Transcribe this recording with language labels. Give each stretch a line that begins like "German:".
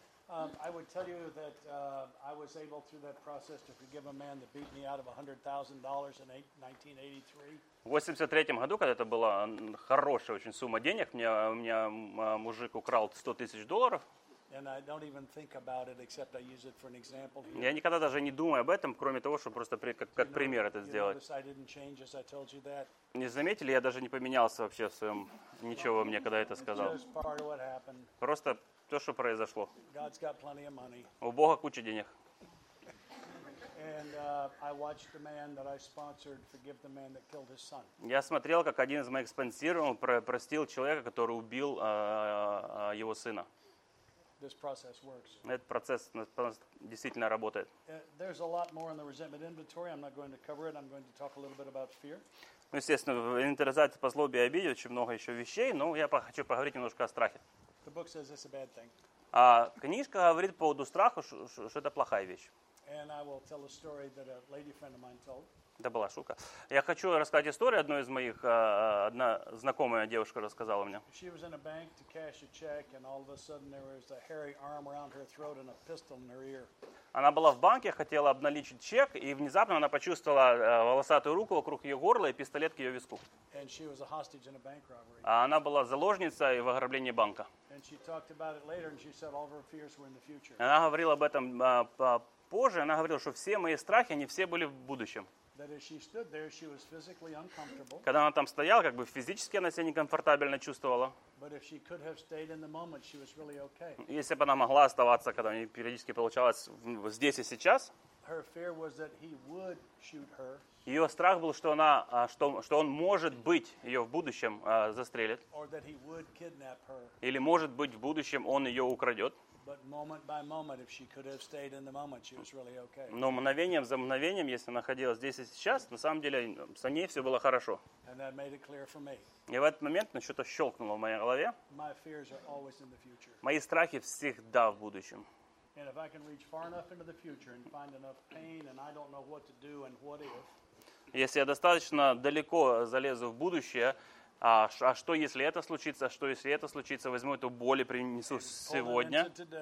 English: I would tell you that I was able through that process to forgive a man that beat me out of $100,000 in 1983.
Russian: В 83-м году, когда это была хорошая очень сумма денег, у меня мужик украл $100,000.
English: And I don't even think about it, except I use it for an example.
Russian: Я никогда даже не думаю об этом, кроме того, чтобы просто как пример это сделать.
English: I didn't change as I told you that.
Russian: Не заметили, я даже не поменялся вообще в своем ничего мне, когда это сказал.
English: It's just part of what happened.
Russian: Просто то, что произошло.
English: God's got plenty of money.
Russian: У Бога куча денег.
English: And I watched the man that I sponsored forgive the man that killed his son.
Russian: Я смотрел, как один из моих спонсированных простил человека, который убил его сына.
English: This process works.
Russian: Этот процесс действительно работает.
English: There's a lot more in the resentment inventory. I'm not going to cover it. I'm going to talk a little bit about fear.
Russian: Ну, естественно, в инвентаризации по злобе и обиде очень много еще вещей, но я хочу поговорить немножко о страхе.
English: The book says it's a bad thing.
Russian: А книжка говорит по поводу страха, что это плохая вещь.
English: And I will tell a story that a lady friend of mine told.
Russian: Это была шутка. Я хочу рассказать историю одной из моих, одна знакомая девушка рассказала мне.
English: She was in a bank to cash a check, and all of a sudden there was a hairy arm around her throat and a pistol in her ear.
Russian: Она была в банке, хотела обналичить чек, и внезапно она почувствовала волосатую руку вокруг ее горла и пистолет к ее виску.
English: And she was a hostage in a bank robbery.
Russian: А она была заложницей в ограблении банка.
English: And she talked about it later, and she said all of her fears were in the future.
Russian: Она говорила об этом позже, она говорила, что все мои страхи, они все были в будущем.
English: That as she stood there, she was physically uncomfortable.
Russian: Когда она там стояла, как бы физически она себя некомфортабельно чувствовала.
English: But if she could have stayed in the moment, she was really okay.
Russian: Если бы она могла оставаться, когда у нее периодически получалось здесь и сейчас.
English: Her fear was that he would shoot her.
Russian: Ее страх был, что она, что он может быть ее в будущем застрелит.
English: Or that he would kidnap her.
Russian: Или может быть в будущем он ее украдет.
English: But moment by moment, if she could have stayed in the moment, she was really okay.
Russian: Но мгновением за мгновением, если находилась здесь и сейчас, на самом деле с ней все было хорошо.
English: And that made it clear for me.
Russian: И в этот момент что-то щелкнуло в моей голове.
English: My fears are always in the future.
Russian: Мои страхи всегда в будущем.
English: And if I can reach far enough into the future and find enough pain, and I don't know what to do and what if.
Russian: Если я достаточно далеко залезу в будущее. А что, если это случится? Что, если это случится? Возьму эту боль и принесу сегодня.